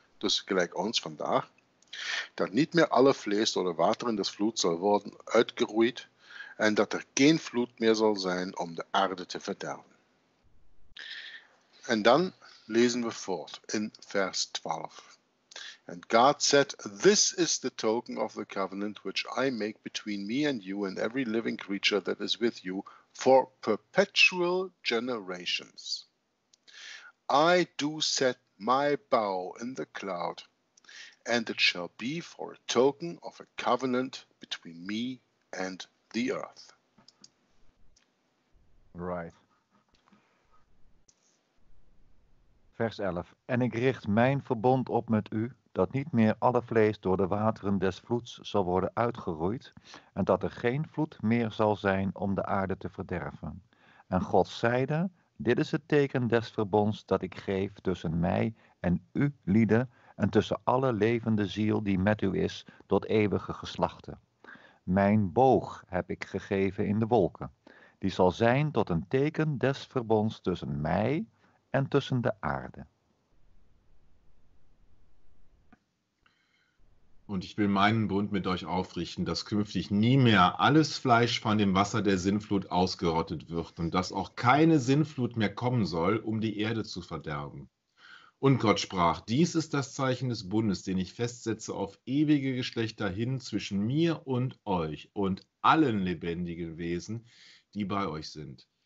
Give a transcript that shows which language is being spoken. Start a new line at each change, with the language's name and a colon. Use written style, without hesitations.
Dutch: Dus gelijk ons vandaag. Dat niet meer alle vlees door de water in de vloed zal worden uitgeroeid. En dat er geen vloed meer zal zijn om de aarde te verderven. En dan lezen we voort in vers 12.
English: And God said, this is the token of the covenant which I make between me and you and every living creature that is with you for perpetual generations. I do set my bow in the cloud, and it shall be for a token of a covenant between me and the earth. Right.
Dutch: Vers 11. En ik richt mijn verbond op met u, dat niet meer alle vlees door de wateren des vloeds zal worden uitgeroeid, en dat er geen vloed meer zal zijn om de aarde te verderven. En God zeide, dit is het teken des verbonds dat ik geef tussen mij en u lieden, en tussen alle levende ziel die met u is, tot eeuwige geslachten. Mijn boog heb ik gegeven in de wolken, die zal zijn tot een teken des verbonds tussen mij en tussen de aarde.
German: und ich will meinen Bund mit euch aufrichten, dass künftig nie mehr alles Fleisch von dem Wasser der Sinnflut ausgerottet wird und dass auch keine Sinnflut mehr kommen soll, um die Erde zu verderben. Und Gott sprach, dies ist das Zeichen des Bundes, den ich festsetze auf ewige Geschlechter hin zwischen mir und euch und allen lebendigen Wesen, die bei euch sind.